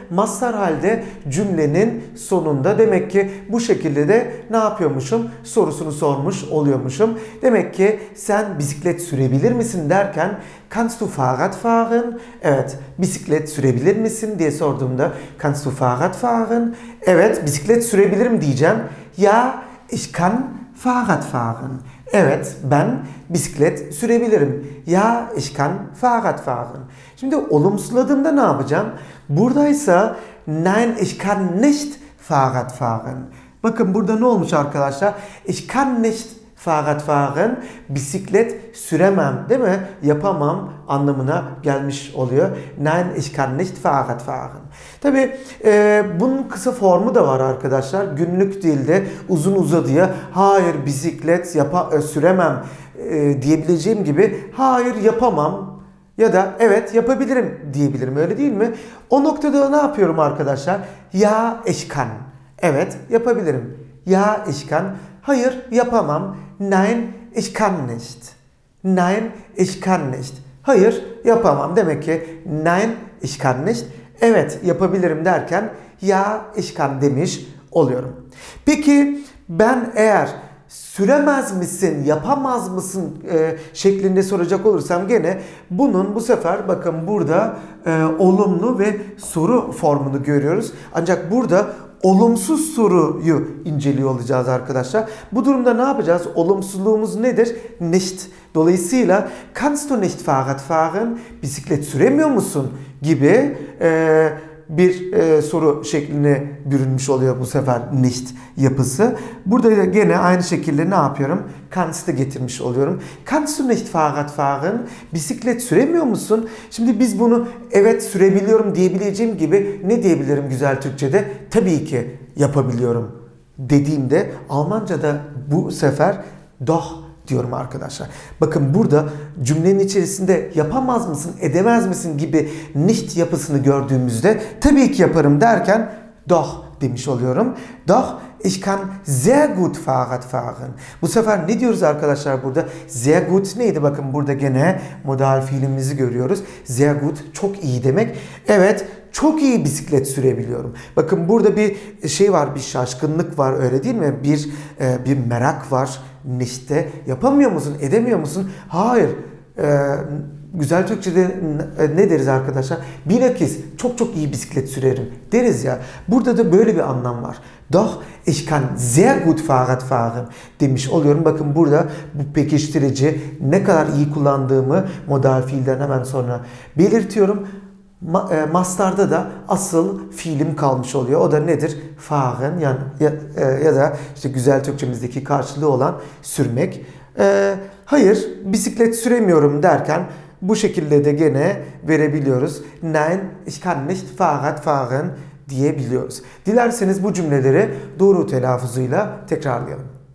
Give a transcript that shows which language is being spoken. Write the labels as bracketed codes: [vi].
[tr] Mastar halde cümlenin sonunda. Demek ki bu şekilde de ne yapıyormuşum? Sorusunu sormuş oluyormuşum. Demek ki sen bisiklet sürebilir misin derken [de] kannst du Fahrrad fahren? [tr] Evet, bisiklet sürebilir misin diye sorduğumda [de] kannst du Fahrrad fahren? [tr] Evet, bisiklet sürebilirim diyeceğim. [de] Ja, ich kann Fahrrad fahren. [tr] Evet, ben bisiklet sürebilirim. [de] Ja, ich kann Fahrrad fahren. [tr] Şimdi olumsuzladığımda ne yapacağım? Buradaysa [de] nein, ich kann nicht Fahrrad fahren. [tr] Bakın burada ne olmuş arkadaşlar? [de] Ich kann nicht Fahrrad fahren. [tr] Bisiklet süremem, değil mi? Yapamam anlamına gelmiş oluyor. [de] Nein, ich kann nicht Fahrrad fahren. [tr] Tabii bunun kısa formu da var arkadaşlar. Günlük dilde uzun uzadıya hayır bisiklet süremem diyebileceğim gibi hayır yapamam ya da evet yapabilirim diyebilirim, öyle değil mi? O noktada ne yapıyorum arkadaşlar? [de] Ja, ich kann. [tr] Evet yapabilirim. [de] Ja, ich kann. [tr] Hayır yapamam. [de] Nein, ich kann nicht. Nein, ich kann nicht. [tr] Hayır, yapamam. Demek ki [de] nein, ich kann nicht. [tr] Evet, yapabilirim derken ya [de] ich kann [tr] demiş oluyorum. Peki ben eğer süremez misin, yapamaz mısın şeklinde soracak olursam gene bunun bu sefer bakın burada olumlu ve soru formunu görüyoruz. Ancak burada olumsuz soruyu inceliyor olacağız arkadaşlar. Bu durumda ne yapacağız? Olumsuzluğumuz nedir? Nicht. Dolayısıyla [de] kannst du nicht Fahrrad fahren? [tr] Bisiklet süremiyor musun? Gibi bir soru şekline bürünmüş oluyor bu sefer nicht yapısı. Burada da gene aynı şekilde ne yapıyorum? Kannst'ı getirmiş oluyorum. [de] Kannst du nicht Fahrrad fahren? [tr] Bisiklet süremiyor musun? Şimdi biz bunu evet sürebiliyorum diyebileceğim gibi ne diyebilirim güzel Türkçe'de? Tabii ki yapabiliyorum dediğimde Almanca'da bu sefer doch diyorum arkadaşlar. Bakın burada cümlenin içerisinde yapamaz mısın, edemez misin gibi nicht yapısını gördüğümüzde tabii ki yaparım derken doch demiş oluyorum. [de] Doch ich kann sehr gut Fahrrad fahren. [tr] Bu sefer ne diyoruz arkadaşlar burada? Sehr gut neydi? Bakın burada gene modal fiilimizi görüyoruz. Sehr gut çok iyi demek. Evet, çok iyi bisiklet sürebiliyorum. Bakın burada bir şey var, bir şaşkınlık var öyle değil mi? Bir merak var. Nicht'te yapamıyor musun, edemiyor musun? Hayır. Güzel Türkçe'de ne deriz arkadaşlar? Bilakis çok çok iyi bisiklet sürerim deriz ya. Burada da böyle bir anlam var. [de] Doch ich kann sehr gut Fahrrad fahren [tr] demiş oluyorum. Bakın burada bu pekiştirici ne kadar iyi kullandığımı modal fiilden hemen sonra belirtiyorum. Mastarda da asıl fiilim kalmış oluyor. O da nedir? Fahren yani ya da işte güzel Türkçemizdeki karşılığı olan sürmek. Hayır, bisiklet süremiyorum derken bu şekilde de gene verebiliyoruz. [de] Nein, ich kann nicht Fahrrad fahren [tr] diyebiliyoruz. Dilerseniz bu cümleleri doğru telaffuzuyla tekrarlayalım.